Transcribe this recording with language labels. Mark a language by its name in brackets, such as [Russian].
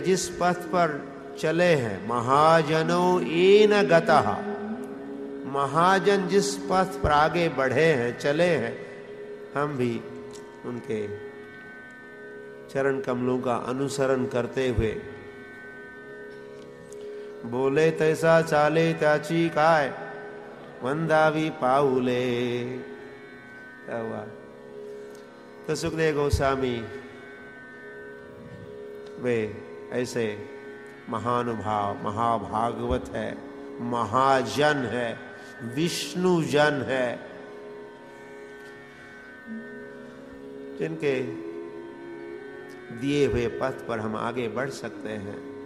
[Hindi] जिस पथ पर चले हैं [Sanskrit] महाजनो ईन गतः, [Hindi] महाजन जिस पथ पर आगे बढ़े हैं चले हैं, हम भी उनके चरण कमलों का अनुसरण करते हुए। [Marathi] बोले तैसा चाले त्याची काय वंदावी पाउले, [Hindi] क्या हुआ? तो सुखदेव गोस्वामी वे ऐसे महानुभाव, महाभागवत है, महाजन है, विष्णु जन है, जिनके दिए हुए पथ पर हम आगे बढ़ सकते हैं।